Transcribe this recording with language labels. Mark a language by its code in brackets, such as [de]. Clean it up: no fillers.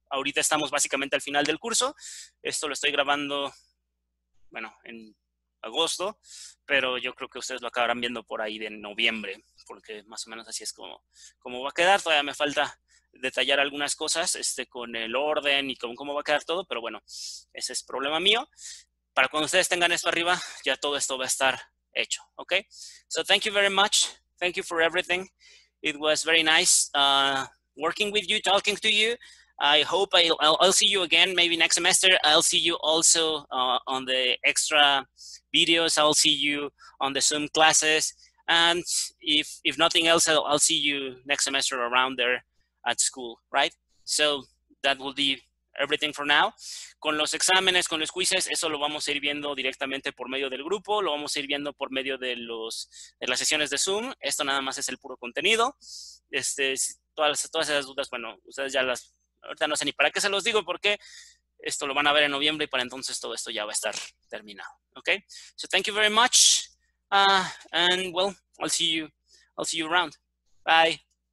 [es] Ahorita estamos básicamente al final del curso. Esto lo estoy grabando, bueno, en agosto, pero yo creo que ustedes lo acabarán viendo por ahí de noviembre, porque más o menos así es como va a quedar. Todavía me falta detallar algunas cosas con el orden y con cómo va a quedar todo, pero bueno, ese es problema mío. Para cuando ustedes tengan esto arriba, ya todo esto va a estar hecho, ¿ok? [en] So, thank you very much. Thank you for everything. It was very nice working with you, talking to you. I hope I'll see you again, maybe next semester. I'll see you also on the extra videos. I'll see you on the Zoom classes. And if nothing else, I'll see you next semester around there at school, right? So that will be everything for now. [es] Con los exámenes, con los quizzes, eso lo vamos a ir viendo directamente por medio del grupo, lo vamos a ir viendo por medio de de las sesiones de Zoom. Esto nada más es el puro contenido. Todas esas dudas, bueno, ustedes ya las, ahorita no sé ni para qué se los digo, porque esto lo van a ver en noviembre y para entonces todo esto ya va a estar terminado. [en] Okay? So thank you very much. And well, I'll see you around. Bye.